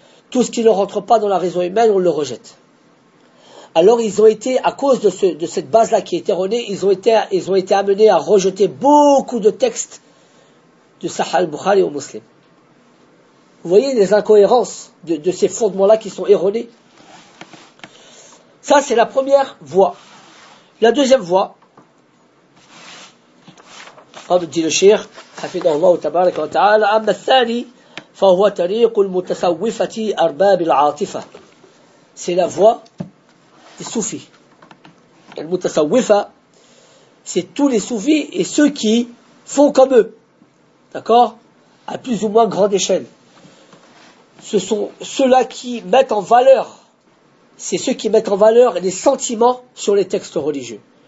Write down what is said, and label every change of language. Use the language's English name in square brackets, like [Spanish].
[French] Tout ce qui ne rentre pas dans la raison humaine, on le rejette. Alors ils ont été, à cause de cette base-là qui est erronée, ils ont été amenés à rejeter beaucoup de textes de Sahih al-Bukhari aux musulmans. Vous voyez les incohérences de ces fondements-là qui sont erronés. Ça, c'est la première voie. La deuxième voie, comme dit le shir, [Arabic] حفظه الله تبارك وتعالى, أما الثاني فهو طريق المتسوفة أرباب العاطفة. [French] C'est la voie des soufis. Les mutasawwifa, c'est tous les soufis et ceux qui font comme eux. D'accord? À plus ou moins grande échelle. Ce sont ceux-là qui mettent en valeur, c'est ceux qui mettent en valeur les sentiments sur les textes religieux.